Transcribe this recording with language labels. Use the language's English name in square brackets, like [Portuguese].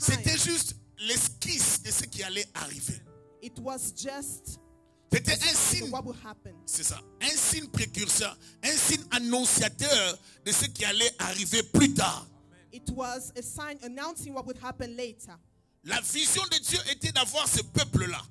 [French] c'était juste l'esquisse de ce qui allait arriver. [English] It was just [French] c'était un signe, [English] what would happen. [French] C'est ça, un signe précurseur, un signe annonciateur de ce qui allait arriver plus tard. [English] It was a sign announcing what would happen later. [French] La vision de Dieu était d'avoir ce peuple-là.